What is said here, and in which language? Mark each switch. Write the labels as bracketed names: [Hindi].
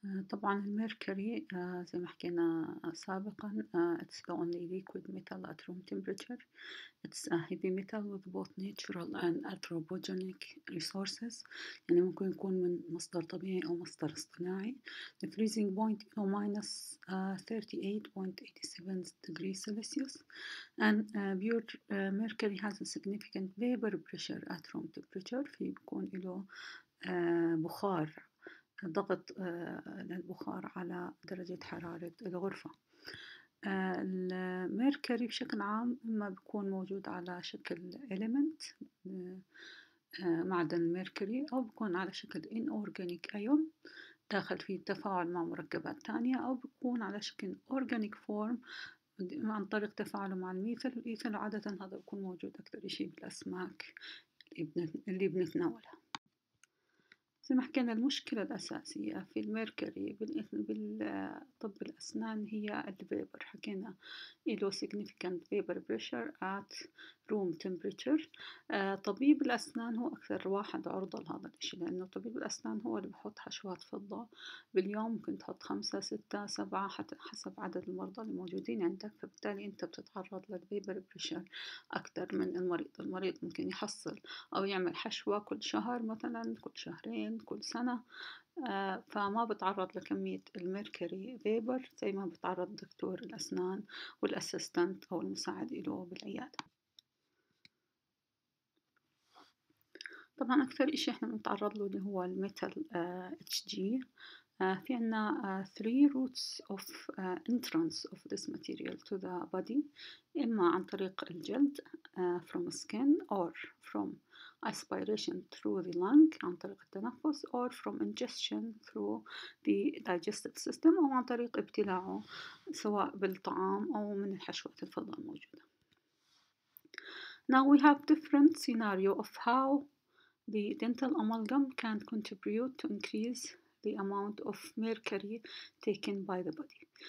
[Arabic] طبعا المركري زي ما حكينا سابقا [English] it's the only liquid metal at room temperature. It's a heavy metal with both natural and anthropogenic resources. [Arabic] يعني ممكن يكون من مصدر طبيعي أو مصدر اصطناعي. [English] The freezing point is -38.87 degrees Celsius. And pure mercury has a significant vapor pressure at room temperature. [Arabic] في بيكون له بخار، ضغط للبخار على درجة حرارة الغرفة. الميركوري بشكل عام ما بيكون موجود على شكل element معدن الميركوري، أو بيكون على شكل inorganic ion داخل في تفاعل مع مركبات تانية، أو بيكون على شكل organic form عن طريق تفاعله مع الميثل. الميثل عادة هذا بيكون موجود أكثر شيء بالأسماك اللي بنتناولها. زي ما حكينا المشكلة الأساسية في الميركوري بالطب الأسنان هي الفيبر. حكينا إله [English] significant vapor pressure at room temperature. [Arabic] طبيب الأسنان هو أكثر واحد عرضة لهذا الإشي، لأنه طبيب الأسنان هو اللي بحط حشوات فضة باليوم. ممكن تحط 5-6-7 حسب عدد المرضى اللي موجودين عندك، فبالتالي أنت بتتعرض للفيبر بريشر أكثر من المريض. المريض ممكن يحصل أو يعمل حشوة كل شهر مثلا، كل شهرين، كل سنة، فما بتعرض لكمية الميركوري فيبر زي ما بتعرض دكتور الأسنان والأسستنت أو المساعد له بالعيادة. طبعا أكثر إشي إحنا بنتعرض له اللي هو الميتال اتش جي. في عنا 3 [English] routes of entrance of this material to the body. [Arabic] إما عن طريق الجلد [English] from skin or from aspiration through the lung [Arabic] عن طريق التنفس [English] or from ingestion through the digestive system [Arabic] أو عن طريق ابتلاعه سواء بالطعام أو من الحشوات الفضة الموجودة. [English] Now we have different scenario of how the dental amalgam can contribute to increase the amount of mercury taken by the body.